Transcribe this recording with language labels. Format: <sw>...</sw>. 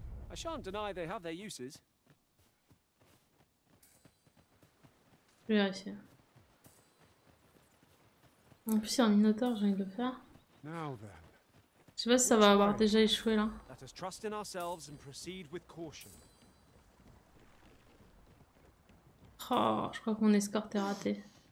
<en>I shan't deny they have their uses.</en> <fr>Je vais vérifier. En plus il y a un minotaure, j'ai envie de le faire.</fr> <en>Now then.</en> <fr>Je sais pas si ça va avoir déjà échoué là.</fr> <en>Let us trust in ourselves and proceed with caution.</en> <fr>Oh, je crois que mon escorte est ratée.</fr>